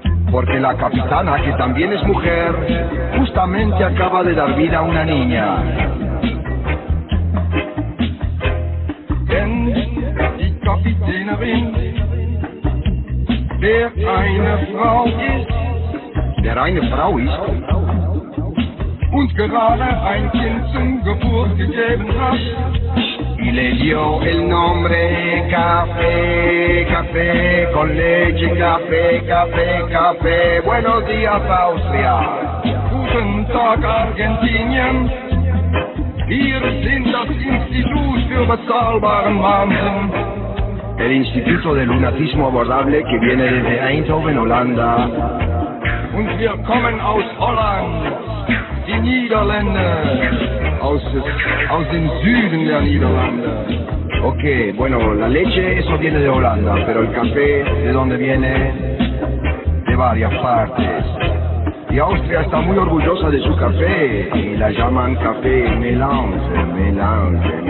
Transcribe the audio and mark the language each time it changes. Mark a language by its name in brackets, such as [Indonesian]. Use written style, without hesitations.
[Spanish] Porque la capitana, que también es mujer, justamente acaba de dar vida a una niña. [German] Denn die Kapitänerin, der eine Frau ist, und gerade ein Kind zum Geburt gegeben hat, [Spanish] y le dio el nombre café con leche, café. Buenos días, Austria. [German] Guten Tag, Argentinien. Wir sind das Institut für bezahlbaren Wahnsinn. [Spanish] El Instituto de Lunatismo Abordable, que viene desde Eindhoven, Holanda. [German] Und wir kommen aus Holland, die Niederlande. Aus dem Süden der Niederlande. [Spanish] Okay, bueno, la leche, eso viene de Holanda, pero el café, ¿de dónde viene? De varias partes. Y Austria está muy orgullosa de su café, y la llaman café melange, café, melange.